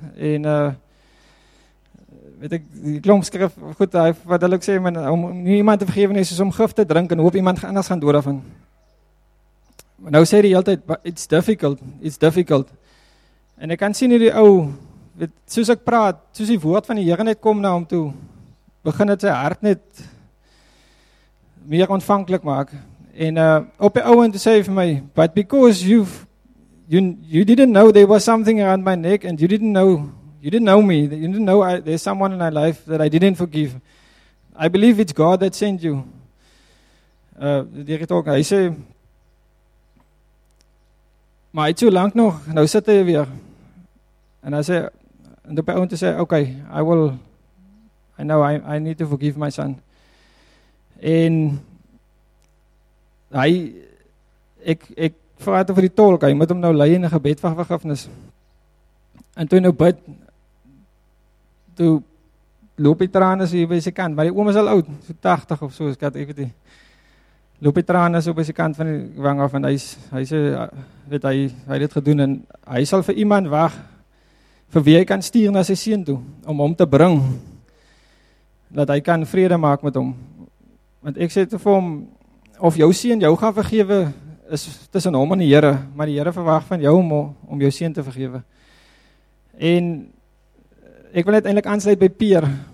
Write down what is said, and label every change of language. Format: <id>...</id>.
<af>En, weet ek, die klomp skrif, goed, wat wil ek sê, maar, om nie iemand te vergewe nie, is om gif te drink, en hoop iemand anders gaan door daarvan. Maar nou sê hy altyd, it's difficult. En ek kan sien hierdie ou, weet, soos ek praat, soos die woord van die Here net kom na hom toe, begin het sy hart net meer ontvanklik maak. En op die ouwe sê hy vir my,</af> <en>but because you didn't know there was something around my neck, and you didn't know me, you didn't know there's someone in my life that I didn't forgive. I believe it's God that sent you.</en> <af>Hy sê, maar hy het so lang nog, nou sit hy weer. En hy sê, en op die ouwe sê, okay, I will...</af> <en>I know, I need to forgive my son.</en> <af>En, hy, ek vraag het vir die tolk, hy moet hom nou lei in een gebed van vergifnis. En toe nou bid, toe loop die tranen so hier by sy kant, maar die oom is al oud, so 80 of so, skat, ek weet nie, loop die tranen so by sy kant van die wang af, en hy het gedoen, en hy sal vir iemand wag, vir wie hy kan stuur na sy seun toe, om hom te bring, dat hy kan vrede maak met hom. Want ek sê te vir hom, of jou seun jou gaan vergewe, is tussen hom en die Here, maar die Here verwag van jou om jou seun te vergewe. En, ek wil net eindelijk aansluit by Peer.</af>